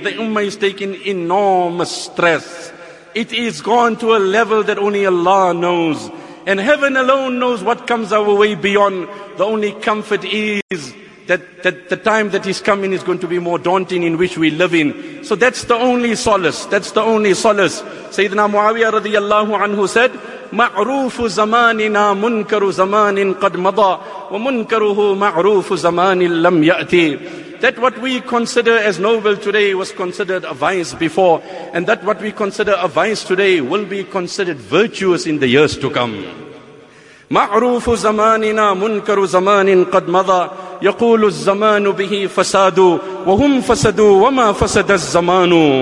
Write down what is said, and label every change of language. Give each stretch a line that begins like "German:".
English: The ummah is taking enormous stress. It is gone to a level that only Allah knows. And heaven alone knows what comes our way beyond. The only comfort is that the time that is coming is going to be more daunting in which we live in. So that's the only solace. That's the only solace.
Arabic: Sayyidina Muawiyah radiallahu anhu said, معروف زماننا منكر زمان قد مضى ومنكره معروف زمان لم يأتي.
English: That what we consider as noble today was considered a vice before, and that what we consider a vice today will be considered virtuous in the years to come.
Arabic: معروف زماننا منكر زمان قد مضى يقول الزمان به فساد وهم فسدوا وما فسد الزمان.